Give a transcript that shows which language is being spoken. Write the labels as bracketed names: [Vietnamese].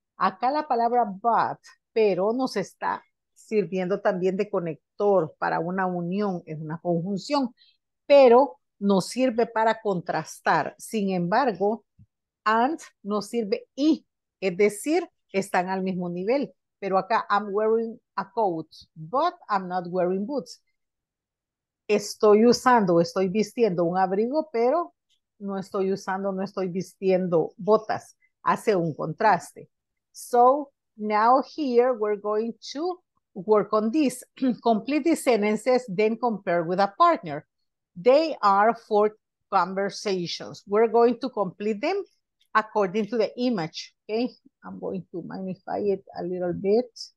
[Spanish] Acá la palabra but, pero nos está sirviendo también de conector para una unión, es una conjunción, pero nos sirve para contrastar. Sin embargo, and nos sirve y, es decir, están al mismo nivel. Pero acá [English] I'm wearing a coat, but I'm not wearing boots. [Spanish] Estoy vistiendo un abrigo, pero no estoy vistiendo botas. Hace un contraste. [English] So, now here we're going to work on this. Complete the sentences, then compare with a partner. They are four conversations. We're going to complete them according to the image. Okay, I'm going to magnify it a little bit.